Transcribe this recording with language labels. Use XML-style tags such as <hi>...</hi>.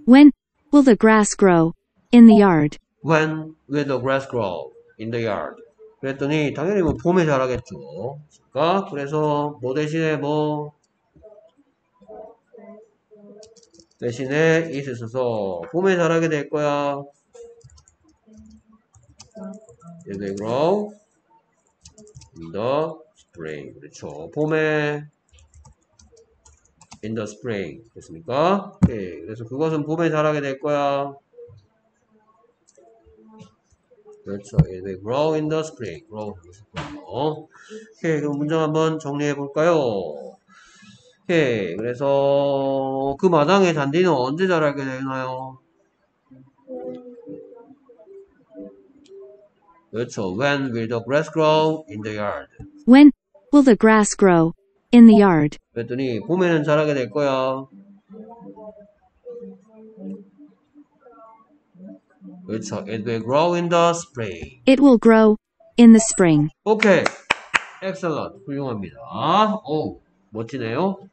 <en>When will the grass grow in the yard? When will the grass grow in the yard?</en> <ko>그랬더니 당연히 뭐 봄에 자라겠죠. 그러니까 그래서 뭐 대신에 뭐 대신에 it 써서 봄에 자라게 될 거야.</ko> <en>It will grow in the spring. 그렇죠.</en> <ko>봄에</ko> <en>in the spring.</en> <ko>됐습니까? 오케이. 그래서 그것은 봄에 자라게 될 거야.</ko> <en>그렇죠. It will grow in the spring. Grow. 오케이.</en> <ko>그럼 문장 한번 정리해 볼까요? 오케이. 그래서 그 마당에 잔디는 언제 자라게 되나요? 그렇죠.</ko> <en>When will the grass grow in the yard? When will the grass grow in the yard?</en> <ko>그랬더니 봄에는 자라게 될 거야.</ko> <en>It will grow in the spring. It will grow in the spring. Okay. Excellent.</en> <ko>훌륭합니다. 오, 멋지네요.</ko>